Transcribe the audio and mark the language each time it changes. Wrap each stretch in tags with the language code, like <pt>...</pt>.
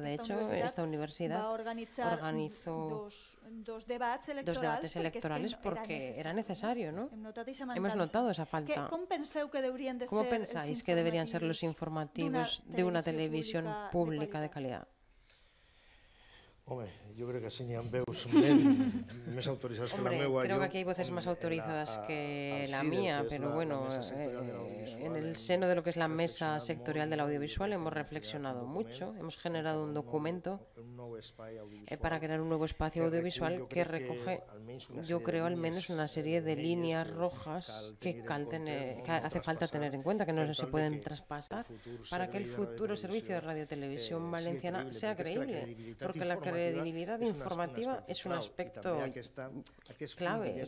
<es>De hecho, esta universidad organizó dos debates electorales porque era necesario, ¿no? Hemos notado esa falta. ¿Cómo pensáis que deberían ser los informativos de una televisión pública de calidad?</es> <ca>Home, jo crec que així n'hi ha veus més autoritzades que la meva.</ca> <es>Creo que aquí hay voces más autorizadas que la mía, pero bueno, en el seno de lo que es la mesa sectorial</es> <ca>de l'audiovisual</ca> <es>hemos reflexionado mucho, hemos generado un documento para crear un nuevo espacio audiovisual que recoge, yo creo, al menos una serie de líneas rojas que hace falta tener en cuenta, que no se pueden traspasar para que el futuro servicio de Radio Televisión Valenciana sea creíble, porque la credibilidad informativa es un aspecto clave.</es>